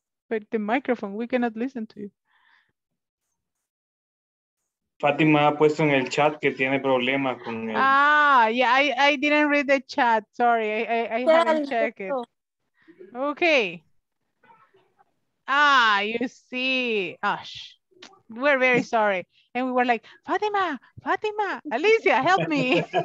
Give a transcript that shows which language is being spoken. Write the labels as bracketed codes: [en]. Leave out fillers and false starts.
[en] But the microphone, we cannot listen to you. [es] Fátima ha puesto en el chat que tiene problemas con el... [en] Ah, yeah, I didn't read the chat, sorry. I haven't checked it. Okay. Ah, you see, we're very sorry. And we were like, Fatima, Alicia, help me.